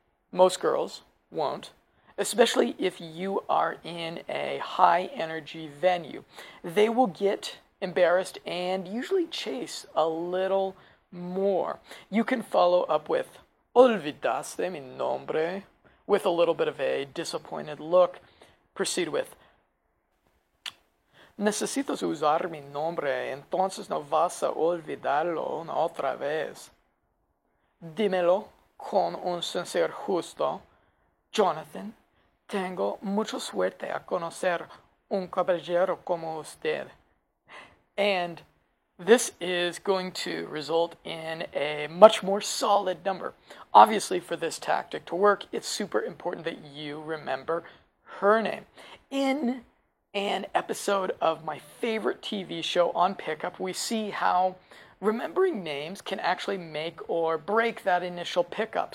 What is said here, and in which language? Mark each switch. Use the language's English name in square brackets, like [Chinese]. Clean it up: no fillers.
[English] Most girls won't. Especially if you are in a high-energy venue. They will get embarrassed and usually chase a little more. You can follow up with, [Spanish] ¿Olvidaste mi nombre? [English] With a little bit of a disappointed look. Proceed with, [Spanish] ¿Necesitas usar mi nombre? Entonces no vas a olvidarlo una otra vez. Dímelo con un sincero justo, Jonathan. Tengo mucha suerte a conocer un caballero como usted. [English] And this is going to result in a much more solid number. Obviously, for this tactic to work, it's super important that you remember her name. In an episode of my favorite TV show on Pickup, we see how remembering names can actually make or break that initial pickup.